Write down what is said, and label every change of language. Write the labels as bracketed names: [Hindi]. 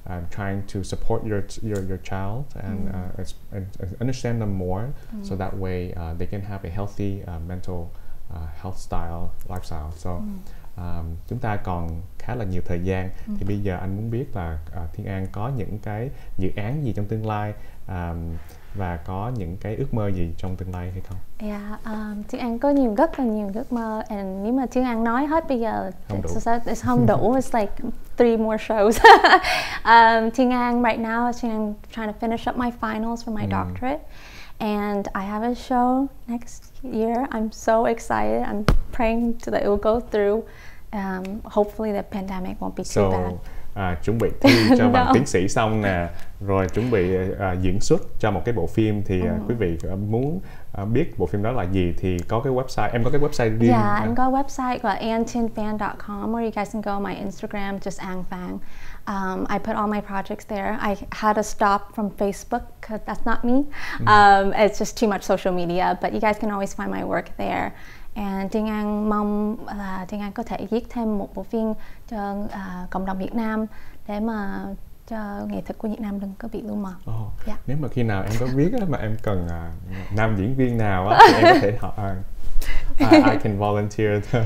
[English] trying to support your child and understand them more, so that way they can have a healthy mental health style lifestyle. [Vietnamese] So chúng ta còn khá là nhiều thời gian, thì bây giờ anh muốn biết là Thiên An có những cái dự án gì trong tương lai và có những cái ước mơ gì trong tương lai hay không? Yeah, Thiên An có nhiều, rất là nhiều ước mơ, and nếu mà Thiên An nói hết bây giờ it's không đủ, [English] it's like three more shows. Thiên An right now is trying to finish up my finals for my doctorate, and I have a show next year. I'm so excited. I'm praying that it will go through. Hopefully the pandemic won't be too bad. [Vietnamese] Chuẩn bị thi cho bằng tiến sĩ xong nè, rồi chuẩn bị diễn xuất cho một cái bộ phim, thì quý vị muốn biết bộ phim đó là gì thì có cái website, em có cái website riêng. [English] Yeah, [Vietnamese] anh có website là [English] antinfan.com, or you guys can go on my Instagram, just angfang. I put all my projects there. I had to stop from Facebook because that's not me. It's just too much social media, but you guys can always find my work there. [Vietnamese] And Thiên An mong là Thiên An có thể viết thêm một bộ phim cho cộng đồng Việt Nam để mà cho nghệ thuật của Việt Nam đừng có bị lưu mờ. Nếu mà khi nào em có viết mà em cần nam diễn viên nào á, thì em có thể hỏi [English] I can volunteer.